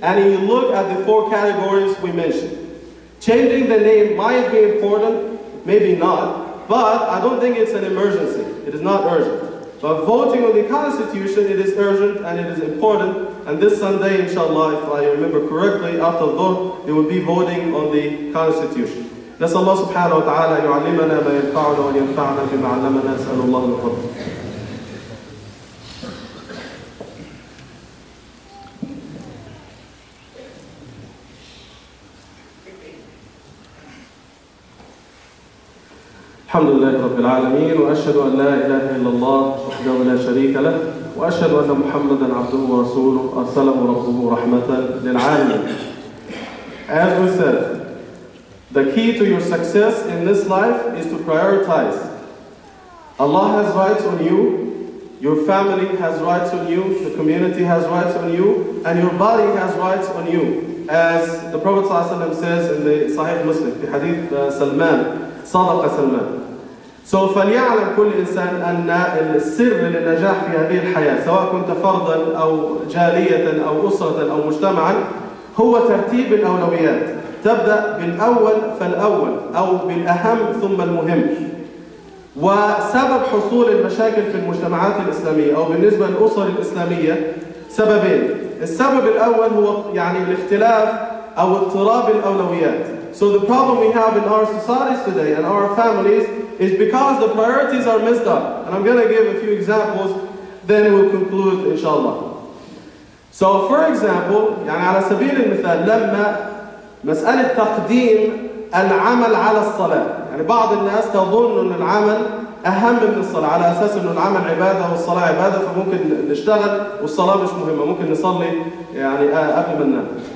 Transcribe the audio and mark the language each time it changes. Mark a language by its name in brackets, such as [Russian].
[English] And you look at the four categories we mentioned. Changing the name might be important, maybe not, but I don't think it's an emergency. It is not urgent. But voting on the constitution, it is urgent and it is important. And this Sunday, inshallah, if I remember correctly, after Dhuhr, they will be voting on the constitution. [Arabic] نسأل الله سبحانه وتعالى يعلمنا ما ينفعنا وينفعنا بما علمنا نسأل الله القدر. الحمد لله رب العالمين وأشهد أن لا إله إلا الله وحده لا شريك له وأشهد أن محمدًا عبده ورسوله أرسله ربه رحمة للعالمين. [English] As we said, the key to your success in this life is to prioritize. Allah has rights on you, your family has rights on you, the community has rights on you, and your body has rights on you. As the Prophet [Arabic] صلى الله عليه وسلم [English] says in the Sahih Muslim, [Arabic] في حديث سلمان صدق سلمان. So فليعلم كل إنسان أن السر للنجاح في هذه الحياة سواء كنت فردا أو جالية أو أسرة أو مجتمعا هو ترتيب الأولويات. تبدأ بالأول فالأول أو بالأهم ثم المهم. وسبب حصول المشاكل في المجتمعات الإسلامية أو بالنسبة للأسر الإسلامية سببين. السبب الأول هو يعني الاختلاف أو اضطراب الأولويات. [English] So the problem we have in our societies today and our families is because the priorities are messed up. And I'm going to give a few examples, then we'll conclude, inshallah. So for example, [Arabic] يعني على سبيل المثال لما مسألة تقديم العمل على الصلاة. يعني بعض الناس تظن أن العمل أهم من الصلاة على أساس أن العمل عبادة والصلاة عبادة فممكن نشتغل والصلاة مش مهمة ممكن نصلي يعني قبل ما ننام.